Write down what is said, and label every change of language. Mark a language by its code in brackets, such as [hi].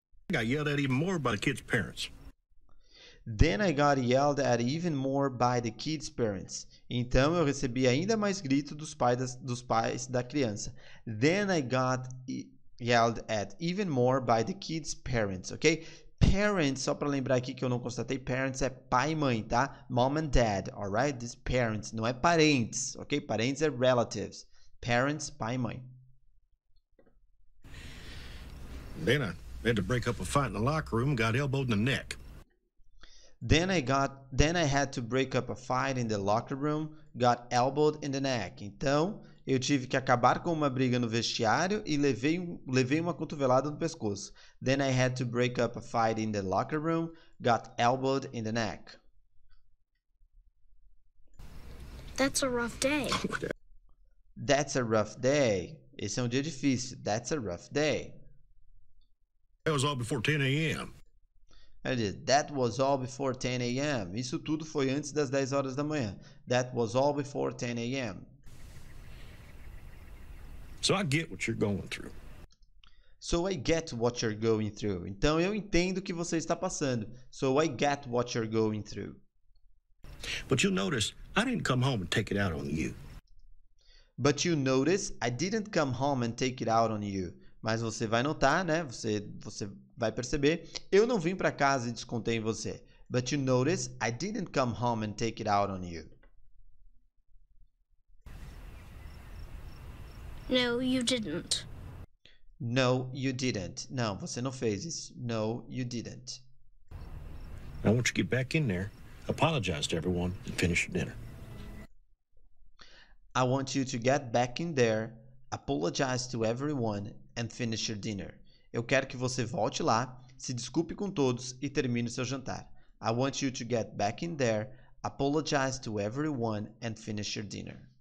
[en] I got yelled at even more by the kid's parents. Then I got yelled at even more by the kid's parents. [pt] Então eu recebi ainda mais grito dos pais da criança. [en] Then I got yelled at even more by the kid's parents, ok? [pt] Parents, só para lembrar aqui que eu não constatei, parents é pai e mãe, tá? [en] Mom and dad, alright? This parents, [pt] não é parentes, [en] ok? [pt] Parentes é relatives. Parents, pai e mãe. [en] Then I had to break up a fight in the locker room, got elbowed in the neck. Then I had to break up a fight in the locker room, got elbowed in the neck. [pt] Então, eu tive que acabar com uma briga no vestiário e levei uma cotovelada no pescoço. [en] Then I had to break up a fight in the locker room, got elbowed in the neck. That's a rough day. That's a rough day. [pt] Esse é um dia difícil. [en] That's a rough day. That was all before 10 a.m. [pt] Ele diz, [en] that was all before 10 a.m. [pt] Isso tudo foi antes das 10 horas da manhã. [en] That was all before 10 a.m. So I get what you're going through. So I get what you're going through. [pt] Então eu entendo o que você está passando. [en] So I get what you're going through. But you notice, I didn't come home and take it out on you. But you notice, I didn't come home and take it out on you. [pt] Mas você vai notar, né? Você vai perceber. Eu não vim para casa e descontei em você. [en] But you notice, I didn't come home and take it out on you. No, you didn't. No, you didn't. [pt] Não, você não fez isso. [en] No, you didn't. I want you to get back in there, apologize to everyone, and finish your dinner. I want you to get back in there, apologize to everyone, and finish your dinner. [pt] Eu quero que você volte lá, se desculpe com todos e termine o seu jantar. [en] I want you to get back in there, apologize to everyone, and finish your dinner.